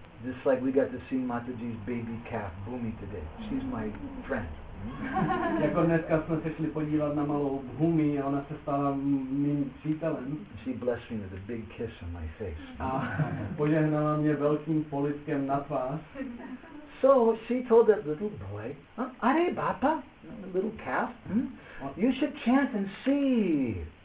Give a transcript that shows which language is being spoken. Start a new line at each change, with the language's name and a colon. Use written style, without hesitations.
English: Just like we got to see Mataji's baby calf, Bhumi, today. She's my friend.
Czech: Jako dneska jsme se šli podívat na malou Bhumi a ona se stala mým přítelem.
English: She blessed me with a big kiss on my face.
Czech: A požehnala mě velkým polibkem na tvář.
English: So she told that little boy, "Are bapa, little calf, you should chant and see."